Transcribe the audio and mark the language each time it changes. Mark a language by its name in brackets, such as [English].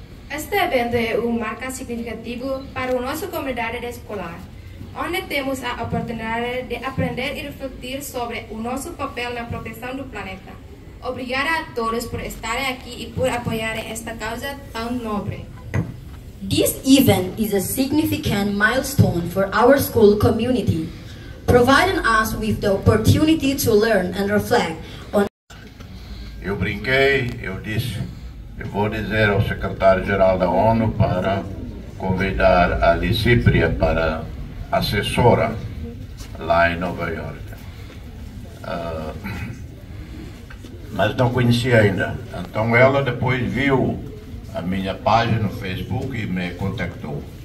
[Portuguese] Este evento é um marco significativo para a nossa comunidade escolar, onde temos a oportunidade de aprender e refletir sobre o nosso papel na proteção do planeta. Obrigada a todos por estarem aqui e por apoiarem esta causa tão nobre. [English] This event is a significant milestone for our school community, providing us with the opportunity to learn and reflect on... [Portuguese] Eu brinquei, eu disse, eu vou dizer ao secretário-geral da ONU para convidar a Licipria para assessora lá em Nova York. Mas não conhecia ainda. Então ela depois viu a minha página no Facebook e me contactou.